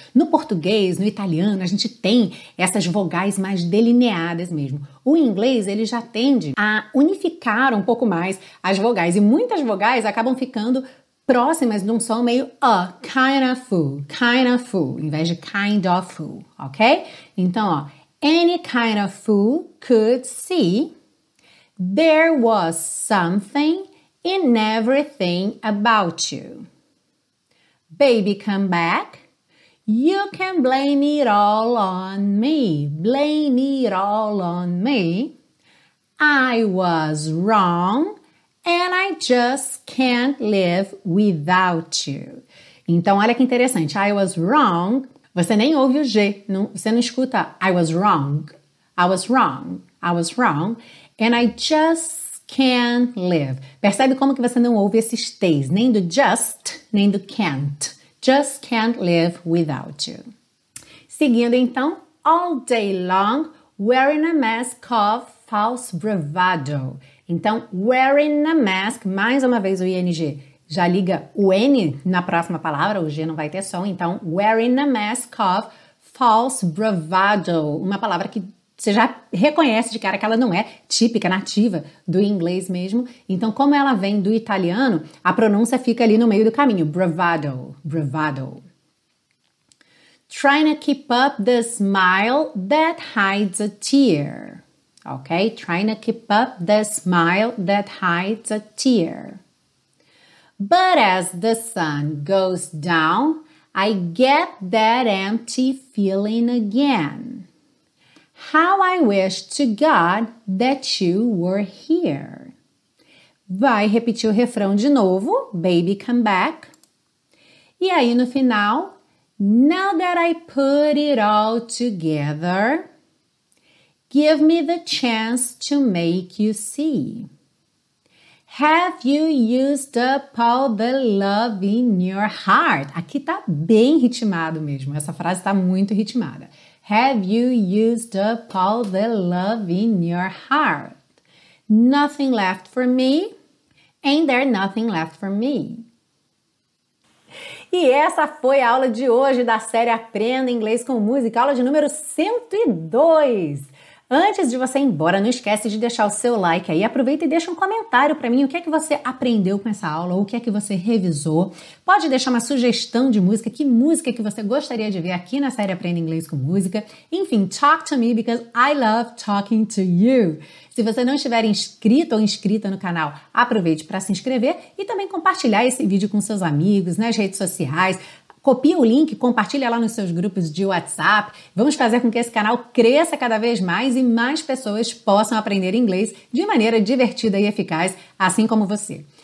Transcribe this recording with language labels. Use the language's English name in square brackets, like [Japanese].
[Portuguese] No português, no italiano, a gente tem essas vogais mais delineadas mesmo. O inglês, ele já tende a unificar um pouco mais as vogais, e muitas vogais acabam ficando próximas de um som meio a, [English] kind of fool, [Portuguese] em vez de kind of fool, ok? Então, ó, [English] any kind of fool could see there was something in everything about you. Baby, come back. You can blame it all on me. Blame it all on me. I was wrong. And I just can't live without you. [Portuguese] Então, olha que interessante. [English] I was wrong. [Portuguese] Você nem ouve o G. Não, você não escuta [English] I was wrong. I was wrong. I was wrong. And I just can't live. [Portuguese] Percebe como que você não ouve esses T's. Nem do just, nem do can't. [English] Just can't live without you. [Portuguese] Seguindo então. [English] All day long, wearing a mask of false bravado. [Portuguese] Então, [English] wearing a mask, [Portuguese] mais uma vez o ING já liga o N na próxima palavra, o G não vai ter som. Então, [English] wearing a mask of false bravado, [Portuguese] uma palavra que você já reconhece de cara que ela não é típica, nativa do inglês mesmo. Então, como ela vem do italiano, a pronúncia fica ali no meio do caminho, bravado, bravado. [English] Trying to keep up the smile that hides a tear. Ok? Trying to keep up the smile that hides a tear. But as the sun goes down, I get that empty feeling again. How I wish to God that you were here. [Portuguese] Vai repetir o refrão de novo, [English] baby come back. [Portuguese] E aí no final, [English] now that I put it all together, give me the chance to make you see. Have you used up all the love in your heart? [Portuguese] Aqui tá bem ritmado mesmo, essa frase tá muito ritmada. [English] Have you used up all the love in your heart? Nothing left for me, ain't there nothing left for me? [Portuguese] E essa foi a aula de hoje da série Aprenda Inglês com Música, aula de número 102. Antes de você ir embora, não esquece de deixar o seu like aí, aproveita e deixa um comentário para mim, o que é que você aprendeu com essa aula, ou o que é que você revisou. Pode deixar uma sugestão de música que você gostaria de ver aqui na série Aprenda Inglês com Música. Enfim, [English] talk to me, because I love talking to you. [Portuguese] Se você não estiver inscrito ou inscrita no canal, aproveite para se inscrever e também compartilhar esse vídeo com seus amigos, nas redes sociais. Copia o link, compartilha lá nos seus grupos de WhatsApp. Vamos fazer com que esse canal cresça cada vez mais e mais pessoas possam aprender inglês de maneira divertida e eficaz, assim como você.